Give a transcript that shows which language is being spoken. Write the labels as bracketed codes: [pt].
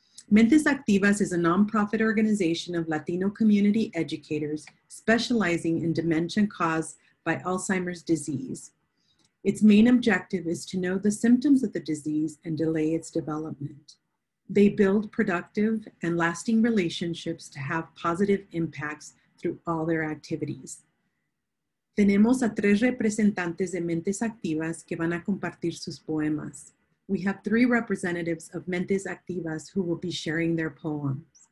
[en] Mentes Activas is a nonprofit organization of Latino community educators specializing in dementia caused by Alzheimer's disease. Its main objective is to know the symptoms of the disease and delay its development. They build productive and lasting relationships to have positive impacts through all their activities. [es] Tenemos a tres representantes de Mentes Activas que van a compartir sus poemas. [en] We have three representatives of Mentes Activas who will be sharing their poems.